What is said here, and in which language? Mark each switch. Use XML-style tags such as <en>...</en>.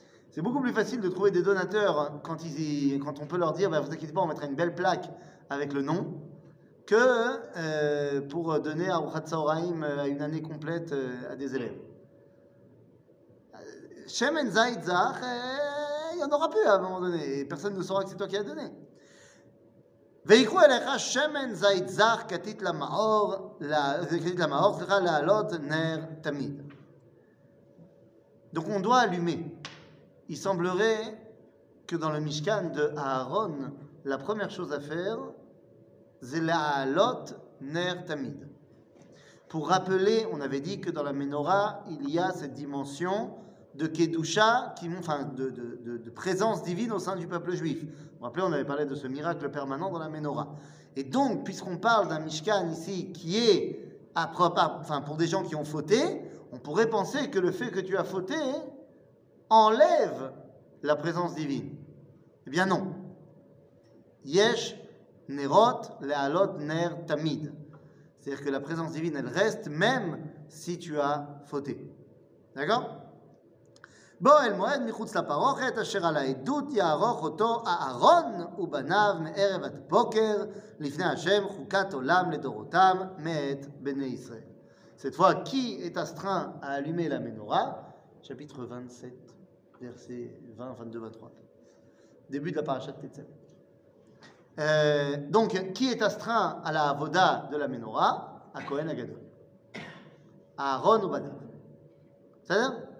<fr>C'est beaucoup plus facile de trouver des donateurs quand, quand on peut leur dire bah, « Vous inquiétez pas, on mettra une belle plaque avec le nom » que pour donner à Aruchat Tzahoraim une année complète à des élèves. «</fr> <he>Shemen Zayit Zach</he> <fr>» il n'y en aura plus à un moment donné. Et personne ne saura que c'est toi qui l'as donné.</fr> <he>ויקחו אליך שמן זית זך כתית למאור, כתית למאור, סליחה, לעלות נר תמיד.</he> <fr>Donc on doit allumer. Il semblerait que dans le Mishkan de Aaron, la première chose à faire, c'est</fr> <he>לעלות נר תמיד.</he> <fr>Pour rappeler, on avait dit que dans la menorah, il y a cette dimension de Kedusha, enfin de présence divine au sein du peuple juif. Vous vous rappelez, on avait parlé de ce miracle permanent dans la menorah. Et donc, puisqu'on parle d'un Mishkan ici qui est pour des gens qui ont fauté, on pourrait penser que le fait que tu as fauté enlève la présence divine. Eh bien non.</fr> <he>Yesh Nerot Lealot Ner Tamid.</he> <fr>C'est-à-dire que la présence divine, elle reste même si tu as fauté. D'accord ?</fr> <he>בוא אל מועד מחוץ לפרוכת אשר על העדות יערוך אותו אהרון ובניו מערב עד בוקר לפני השם חוקת עולם לדורותם מאת בני ישראל.</he> <fr>Cette fois, qui est astreint à allumer la menorah? Chapitre 27, verset 22-23. Début de la parasha de Tetzaveh. Donc, qui est astreint à la avoda de la menorah? À Kohen Agadol. Aaron ubanav. C'est-à-dire?</fr>